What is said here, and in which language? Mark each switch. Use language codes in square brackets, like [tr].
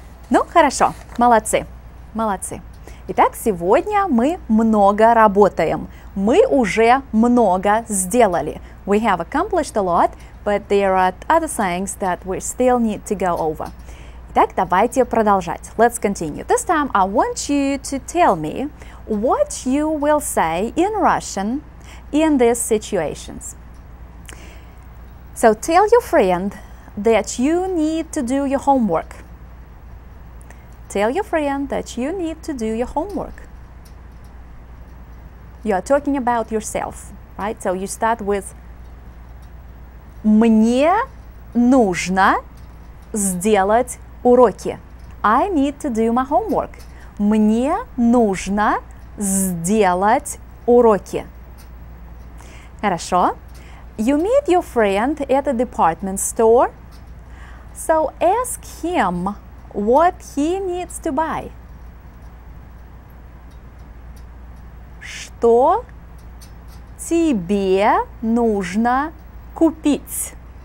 [ru] Ну, хорошо, молодцы, молодцы. Итак, сегодня мы много работаем. Мы уже много сделали. [en] We have accomplished a lot, but there are other things that we still need to go over. [ru] Итак, давайте продолжать. [en] Let's continue. This time I want you to tell me what you will say in Russian in these situations. So tell your friend that you need to do your homework. Tell your friend that you need to do your homework. You are talking about yourself, right? So you start with [ru] мне нужно сделать уроки. [en] I need to do my homework. [ru] Мне нужно сделать уроки. Хорошо. [en] You meet your friend at a department store. So ask him what he needs to buy. [ru] Что тебе нужно купить?